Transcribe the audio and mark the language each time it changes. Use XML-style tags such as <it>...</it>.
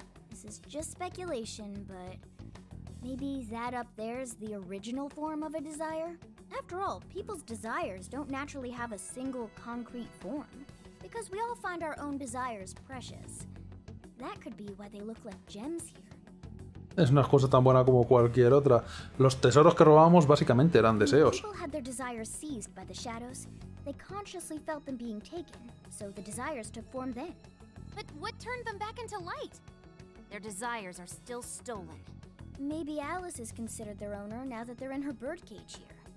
<en>This is just speculation, but... Maybe that up there's the original form of a desire? After all, people's desires don't naturally have a single concrete form. Because we all find our own desires precious. That could be why they look like gems here.</en> <es>Es una excusa tan buena como cualquier otra. Los tesoros que robábamos básicamente eran deseos.</es> <en>When people had their desires seized by the shadows, they consciously felt them being taken, so the desires took form then. But what turned them back into light? Their desires are still stolen. Maybe Alice is considered their owner now that they're in her birdcage here.</en>